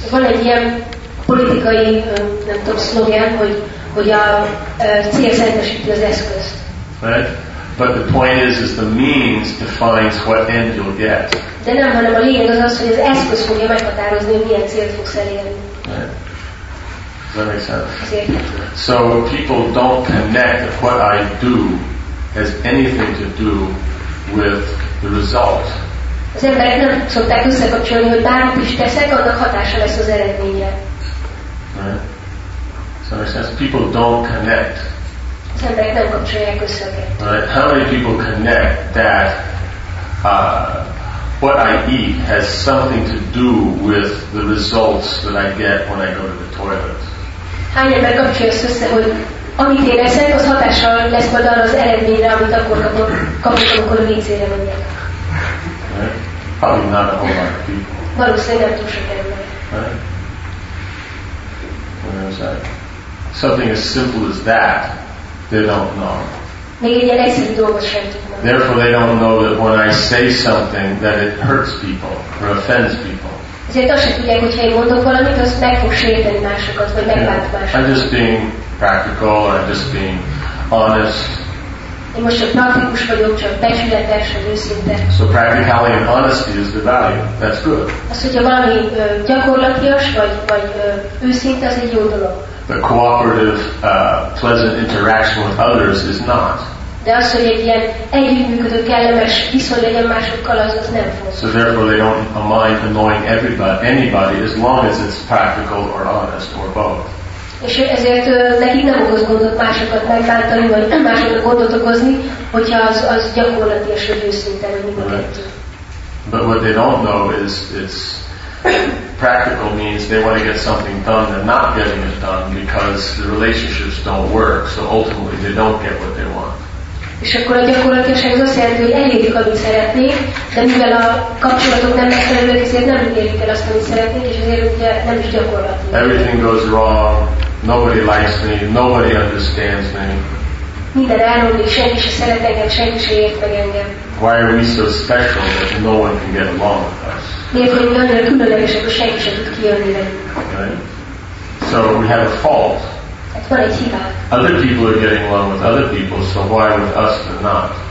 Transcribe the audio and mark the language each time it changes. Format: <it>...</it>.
<hu>Van egy ilyen politikai, nem tudom, szlogen, hogy a cél szentesíti az eszközt.</hu> <en>Right? But the point is the means defines what end you'll get.</en> <hu>De nem, hanem a lényeg az, hogy az eszköz fogja meghatározni, hogy milyen célt fogsz elérni.</hu> <en>Right? Does that make sense? So people don't connect what I do has anything to do with the result.</en> <hu>Az emberek nem szokták összekapcsolni, hogy bármit is teszek, annak hatása lesz az eredményre.</hu> <en>Right. So people don't connect.</en> <hu>Az emberek nem kapcsolják össze.</hu> <en>Right. How many people connect that what I eat has something to do with the results that I get when I go to the toilet?</en> <hu>Hány ember kapcsolja össze, hogy amit én eszek, az hatással lesz majd arra az eredményre, amit akkor kapok, amikor a vécére mondják.</hu> <en>Probably not a whole lot of people.</en> <hu>Valószínűleg nem túl sok ember.</hu> <en>Right? Where is that? Something as simple as that, they don't know.</en> <hu>Még egy egyszerű dolgot sem tudnak.</hu> <en>Therefore they don't know that when I say something that it hurts people or offends people.</en> <hu>Ezért azt sem tudják, hogyha én mondok valamit, azt meg fog sérteni másokat, vagy megbánt másokat.</hu> <en>I'm just being practical, or I'm just being honest.</en> <hu>Én most csak praktikus vagyok, csak becsületes, vagy őszinte.</hu> <en>So practicality and honesty is the value. That's good.</en> <hu>Az, hogyha valami gyakorlatias, vagy őszinte, az egy jó dolog.</hu> <en>The cooperative, pleasant interaction with others is not.</en> <hu>De az, hogy egy ilyen együttműködő, kellemes viszony legyen másokkal, az nem fontos.</hu> <en>So therefore they don't mind annoying anybody as long as it's practical or honest or both.</en> <hu>És ezért nekik nem okoz gondot másokat megbántani, vagy másokat gondot okozni, hogyha az gyakorlatilag vagy őszinte, hogy mind a kettő.</hu> <en>But what they don't know is it's practical means they want to get something done, they're not getting it done because the relationships don't work, so ultimately they don't get what they want.</en> <hu>És akkor a gyakorlatilag azt jelenti, hogy elérjük, amit szeretnék, de mivel a kapcsolatok nem megfelelőek, ezért nem érjük el azt, amit szeretnék, és ezért ugye nem is gyakorlatilag.</hu> <en>Everything goes wrong, nobody likes me, nobody understands me.</en> <hu>Minden elmondik, senki se szeret engem, senki se ért meg engem.</hu> <en>Why are we so special that no one can get along with us?</en> <hu>Miért vagyunk annyira különlegesek, hogy senki se tud kijönni velünk.</hu> <en>So we have a fault. Other people are getting along with other people, so why with us they're not?</en>